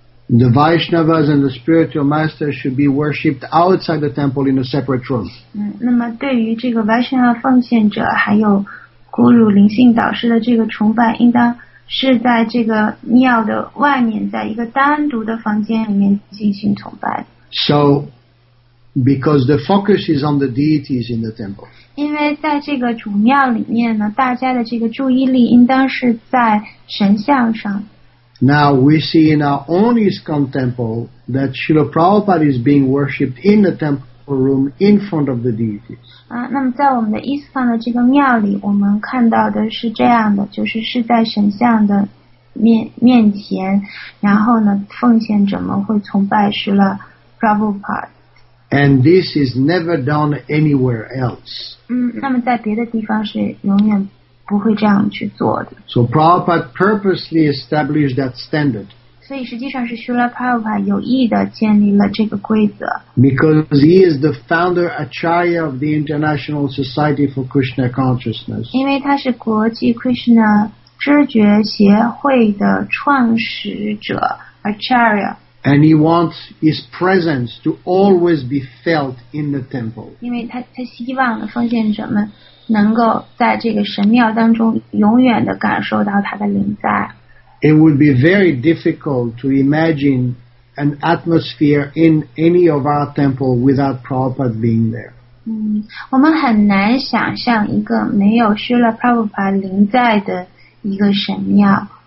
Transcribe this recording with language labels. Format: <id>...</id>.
<en>The Vaishnavas and the spiritual masters should be worshipped outside the temple in a separate room.</en> <zh>那么对于这个 Vaishnava 奉献者还有孤独灵性导师的这个崇拜，应当是在这个庙的外面，在一个单独的房间里面进行崇拜。</zh> <en>So, because the focus is on the deities in the temple.</en> <zh>因为在这个主庙里面呢，大家的这个注意力应当是在神像上。</zh> <en>Now we see in our own ISKCON temple that Srila Prabhupada is being worshipped in the temple room in front of the deities.</en> <zh>那么在我们的 ISKCON 的这个庙里，我们看到的是这样的，就是是在神像的面前，然后呢，奉献者们会崇拜是了 Prabhupada.</zh> <en>And this is never done anywhere else.</en> <zh>那么在别的地方是永远不会这样去做的。</zh> <en>So Prabhupada purposely established that standard.</en> <zh>所以实际上是 Srila Prabhupada 有意的建立了这个规则。</zh> <en>Because he is the founder acharya of the International Society for Krishna Consciousness.</en> <zh>因为他是国际 Krishna 知觉协会的创始者 acharya。</zh> <en>And he wants his presence to always be felt in the temple.</en> <zh>因为他希望奉献者们能够在这个神庙当中永远地感受到他的临在。</zh> <en>It would be very difficult to imagine an atmosphere in any of our temple without Prabhupada being there.</en> <zh>我们很难想象一个没有 Srila Prabhupada 临在的一个神庙。</zh>